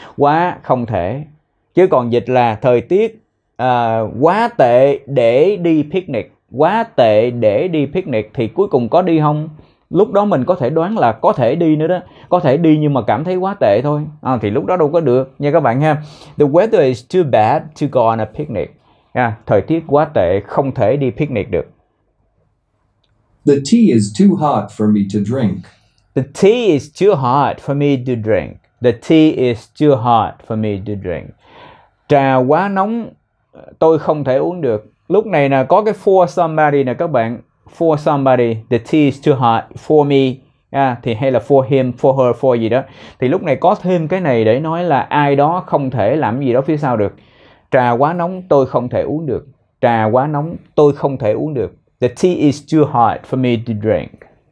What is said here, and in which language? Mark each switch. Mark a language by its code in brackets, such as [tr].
[vi] Quá không thể. Chứ còn dịch là thời tiết quá tệ để đi picnic. Quá tệ để đi picnic thì cuối cùng có đi không? Lúc đó mình có thể đoán là có thể đi nữa đó. Có thể đi nhưng mà cảm thấy quá tệ thôi. Thì lúc đó đâu có được nha các bạn ha. [en] The weather is too bad to go on a picnic. [vi] Yeah, thời tiết quá tệ, không thể đi picnic được. [en] The tea is too hot for me to drink. The tea is too hot for me to drink. The tea is too hot for me to drink. [vi] Trà quá nóng, tôi không thể uống được. Lúc này nè, có cái [en] for somebody [vi] nè các bạn. [en] For somebody, the tea is too hot for me. [vi] Thì hay là [en] for him, for her, for [vi] gì đó. Thì lúc này có thêm cái này để nói là ai đó không thể làm gì đó phía sau được. Trà quá nóng, tôi không thể uống được. Trà quá nóng, tôi không thể uống được. [en] The tea is too hot for me to drink.